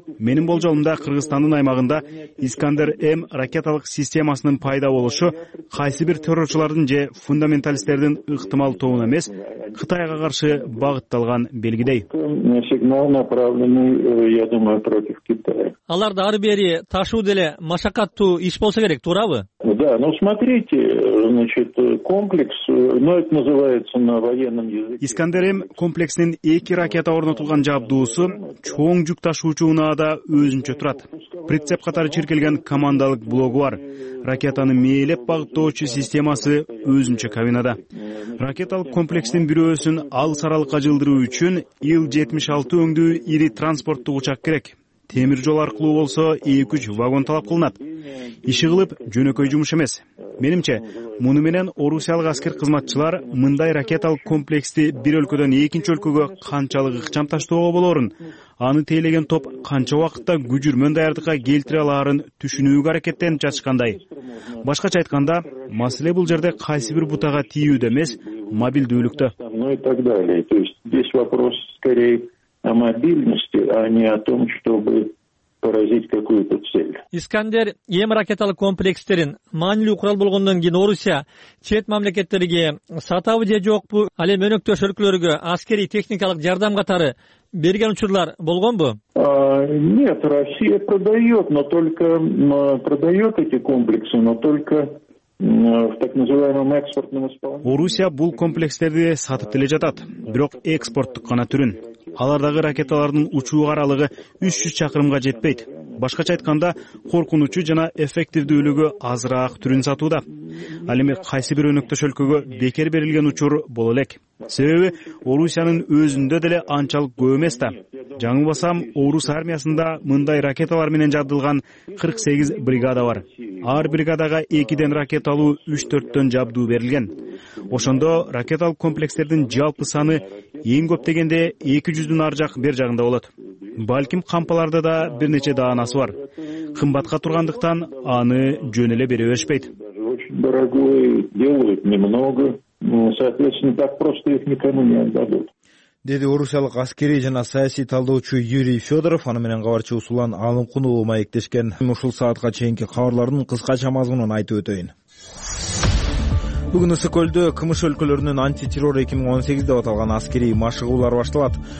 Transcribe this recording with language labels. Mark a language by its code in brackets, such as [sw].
[ky] Менин болжолумда Кыргызстандын аймагында Искандер М ракеталык системасынын пайда болушу кайсы бир террорчулардын же фундаменталисттердин ыктымал тобуна эмес, Кытайга каршы багытталган белгидей. Аларды ары бери ташуу деле машакаттуу иш болсо керек, туурабы? [ru] Да, ну смотрите, значит, комплекс, ну это называется на военном языке. [ky] Искандер М комплексинин эки ракета орнотулган жабдуусу чоң жүк ташуучу унаада өзүнчө турат. Прицеп катары чиркелген командалык блогу бар. Ракетаны мээлеп багыттоочу системасы өзүнчө кабинада. Ракеталык комплекстин бирөөсүн алыс аралыкка жылдыруу үчүн Ил-76 өңдүү ири транспорттук учак керек. Темир жол аркылуу болсо 2-3 вагон талап кылынат. Иши кылып жөнөкөй жумуш эмес. Менимче, муну менен орусиялык аскер кызматчылар мындай ракеталык комплексти бир өлкөдөн экинчи өлкөгө канчалык ыкчам таштоого болорун, аны тейлеген топ канча убакытта күжүрмөн даярдыкка келтире алаарын түшүнүүгө аракеттенип жатышкандай. Башкача айтканда, маселе бул жерде кайсы бир бутага тийүүдө эмес, мобилдүүлүктө. [ru] Ну и так далее. То есть здесь вопрос скорее о мобильности, а не о том, чтобы поразить какую-то цель. [ky] Искандер М ракеталык комплекстерин маанилүү курал болгондон кийин Орусия чет мамлекеттерге сатабы же жокпу, ал эми өнөктөш өлкөлөргө аскерий техникалык жардам катары берген учурлар болгонбу? [ru] Нет, Россия продает, но только продает эти комплексы, но только в так называемом экспортном исполнении. [ky] Орусия бул комплекстерди сатып деле жатат, бирок экспорттук гана түрүн. Алардагы ракеталардын учуу аралыгы 300 чакырымга жетпейт. Башкача айтканда, коркунучу жана эффективдүүлүгү азыраак түрүн сатууда. Ал эми кайсы бир өнөктөш өлкөгө бекер берилген учур боло элек. Себеби Орусиянын өзүндө деле анчалык көп эмес да. Жаңылбасам, орус армиясында мындай ракеталар менен жабдылган 48 бригада бар. Ар бригадага 2 ракеталуу 3-4 жабдуу берилген. Ошондо ракеталык комплекстердин жалпы саны эң көп дегенде 200 ар жак бер жагында болот. Балким кампаларда да бир нече даанасы бар. Кымбатка тургандыктан аны жөн эле бере беришпейт. [ru] Очень дорогой делают немного, соответственно, так просто их никому не отдадут. [ky] Деди орусиялык аскерий жана саясий талдоочу Юрий Федоров, аны менен кабарчы Усулан Алымкунулу маектешкен. Ушул саатка чейинки кабарлардын кыскача мазмунун айтып өтөйүн. Бүгүн Ысык Көлдө КМШ өлкөлөрүнүн антитеррор 2018 деп аталган аскерий машыгуулар башталат.